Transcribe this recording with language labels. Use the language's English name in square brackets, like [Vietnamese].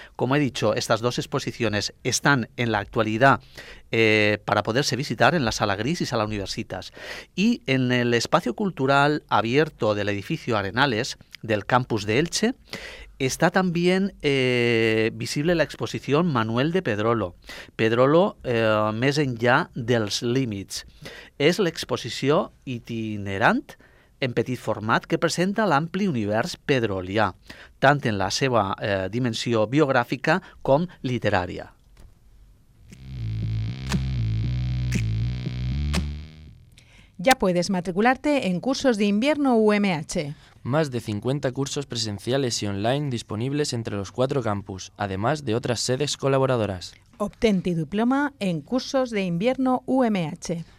[Spanish] Como he dicho, estas dos exposiciones están en la actualidad para poderse visitar en la Sala Gris y Sala Universitas. Y en el espacio cultural abierto del edificio Arenales del campus de Elche está también visible la exposición Manuel de Pedrolo. [Catalan] Pedrolo, més enllà dels límits. És l'exposició itinerant en petit format que presenta l'ampli univers pedrolià, tant en la seva dimensió biogràfica com literària. [Spanish] Ya puedes matricularte en cursos de invierno UMH. Más de 50 cursos presenciales y online disponibles entre los cuatro campus, además de otras sedes colaboradoras. Obtén tu diploma en cursos de invierno UMH.